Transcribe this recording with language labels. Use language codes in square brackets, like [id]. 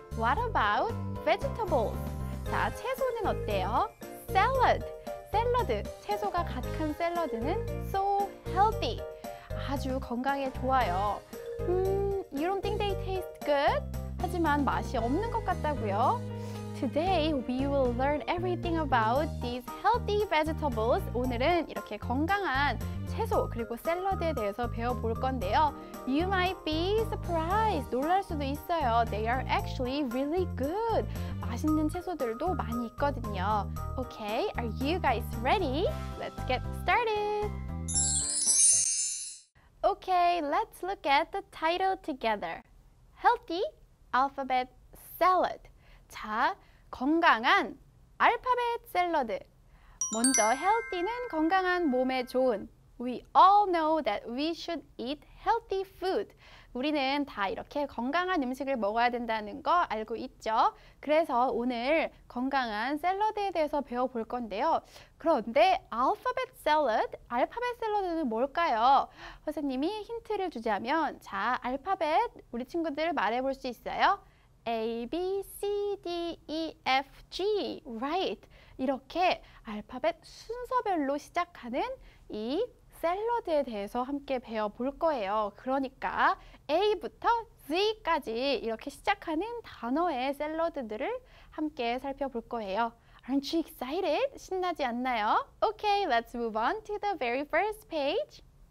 [en] What about vegetables? [ko] 자, 채소는 어때요? [en] Salad. [ko] 샐러드. 채소가 가득한 샐러드는 [en] so healthy. [ko] 아주 건강에 좋아요. [en] You don't think they taste good? [ko] 하지만 맛이 없는 것 같다고요? [en] Today we will learn everything about these healthy vegetables. [ko] 오늘은 이렇게 건강한 채소 그리고 샐러드에 대해서 배워볼 건데요. [en] You might be surprised. [ko] 놀랄 수도 있어요. [en] They are actually really good. [ko] 맛있는 채소들도 많이 있거든요. [en] Okay, are you guys ready? Let's get started. Okay, let's look at the title together. Healthy alphabet salad. [ko] 자, 건강한 알파벳 샐러드. 먼저 healthy는 건강한 몸에 좋은. [en] We all know that we should eat healthy food. [ko] 우리는 다 이렇게 건강한 음식을 먹어야 된다는 거 알고 있죠? 그래서 오늘 건강한 샐러드에 대해서 배워볼 건데요. 그런데 알파벳 샐러드, 알파벳 샐러드는 뭘까요? 선생님이 힌트를 주자면, 자, 알파벳 우리 친구들 말해볼 수 있어요? [en] A, B, C, D, E, F, G, right. [ko] 이렇게 알파벳 순서별로 시작하는 이 샐러드에 대해서 함께 배워볼 거예요. 그러니까 A부터 Z까지 이렇게 시작하는 단어의 샐러드들을 함께 살펴볼 거예요. [en] Aren't you excited? [ko] 신나지 않나요? [en] Okay, let's move on to the very first page.